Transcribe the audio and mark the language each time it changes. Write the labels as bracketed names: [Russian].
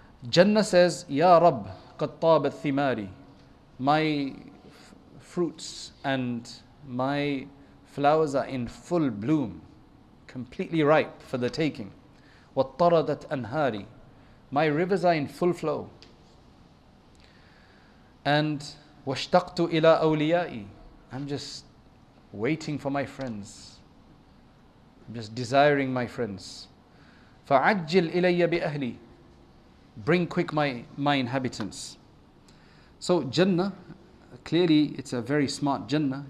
[English] Jannah says, [Arabic] Ya Rabb, qad tabat thimari. [English] My fruits and my flowers are in full bloom, completely ripe for the taking. [Arabic] وَطَّرَدَتْ أَنْهَارِ. [English] My rivers are in full flow. [Arabic] And وَشْتَقْتُ إِلَىٰ أَوْلِيَائِي. [English] I'm just waiting for my friends. I'm just desiring my friends. [Arabic] فَعَجِّلْ إِلَيَّ بِأَهْلِي. [English] Bring quick my inhabitants. So Jannah, clearly it's a very smart Jannah.